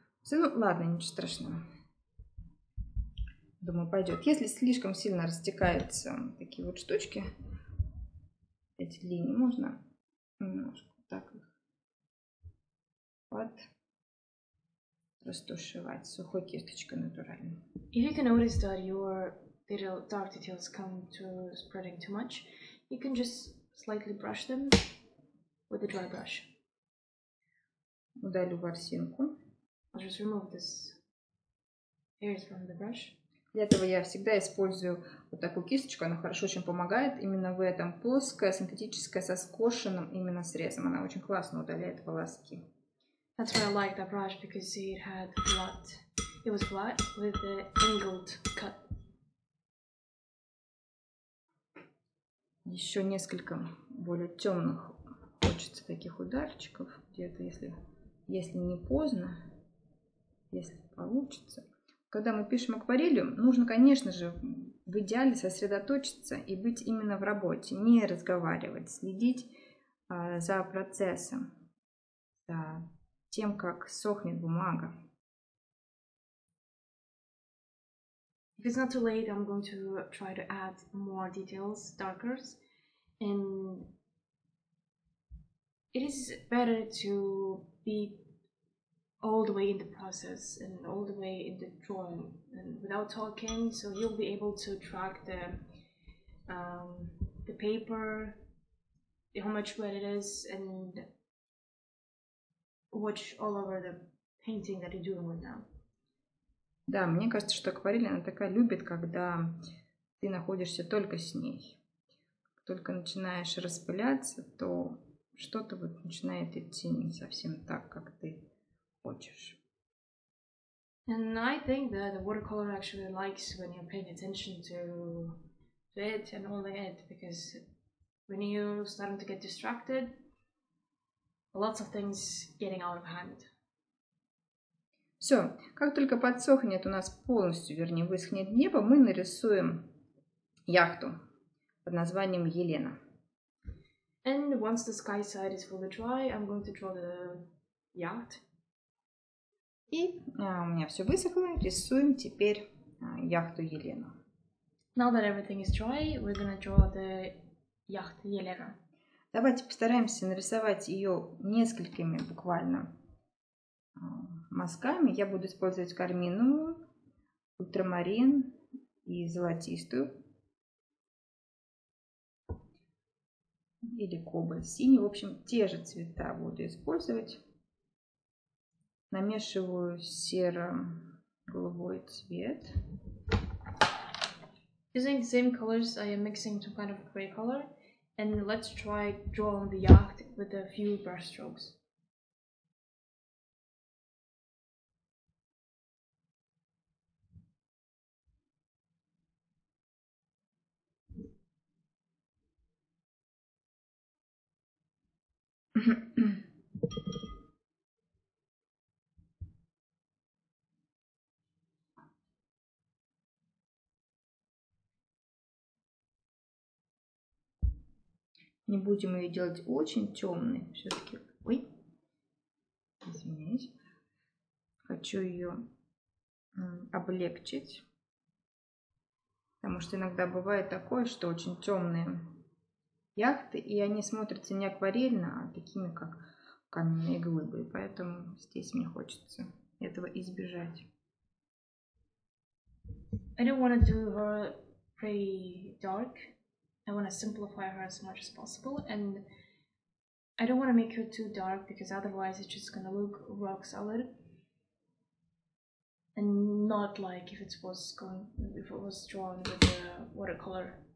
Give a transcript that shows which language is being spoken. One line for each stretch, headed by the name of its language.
Russian: Ну ладно, ничего страшного. Думаю, пойдет. Если слишком сильно растекаются такие вот штучки, эти линии, можно немножко так их подрастушевать сухой кисточкой натурально.
English: If you can notice that your dark details come to spreading too much, you can just slightly brush them with a dry brush.
Russian: Удалю ворсинку.
English: I'll just remove this hairs from the brush.
Russian: Для этого я всегда использую вот такую кисточку, она хорошо очень помогает именно в этом, плоская, синтетическая, со скошенным именно срезом. Она очень классно удаляет волоски.
English: That's why I like that brush, because it had flat. It was flat with the angled cut.
Russian: Еще несколько более темных хочется таких ударчиков, где-то, если не поздно, если получится. Когда мы пишем акварелью, нужно, конечно же, в идеале сосредоточиться и быть именно в работе, не разговаривать, следить за процессом, за тем, как сохнет бумага.
English: If it's not too late, I'm going to try to add more details, darkers, and it is better to be all the way in the process and all the way in the drawing and without talking, so you'll be able to track the paper, how much wet it is, and watch all over the painting that you're doing with them.
Russian: Да, мне кажется, что акварель, она такая любит, когда ты находишься только с ней. Только начинаешь распыляться, то что-то вот начинает идти не совсем так, как ты хочешь.
English: And I think that the watercolor actually likes when you're paying attention to it and only it, because when you're starting to get distracted, lots of things getting out of hand.
Russian: Все, как только подсохнет у нас полностью, вернее, высохнет небо, мы нарисуем яхту под названием Елена.
English: And once the sky side is fully dry, I'm going to draw the yacht.
Russian: И у меня все высохло, рисуем теперь яхту Елена.
English: Now that everything is dry, we're going to draw the yacht Елена.
Russian: Давайте постараемся нарисовать ее несколькими буквально мазками. Я буду использовать карминовую, ультрамарин и золотистую. Или кобальт синий. В общем, те же цвета буду использовать. Намешиваю серо-голубой цвет.
English: Using the same colors, I am mixing some kind of gray color. And let's try drawing the yacht with a few brush strokes.
Russian: Не будем ее делать очень темной, все-таки. Ой, извиняюсь. Хочу ее облегчить, потому что иногда бывает такое, что очень темные яхты, и они смотрятся не акварельно, а такими, как каменные глыбы. И поэтому здесь мне хочется этого избежать.
English: I don't want to do her pretty dark. I want to simplify her as much as possible. And I don't want to make her too dark, because otherwise it's just going to look rock solid. And not like if it was drawn with the watercolor.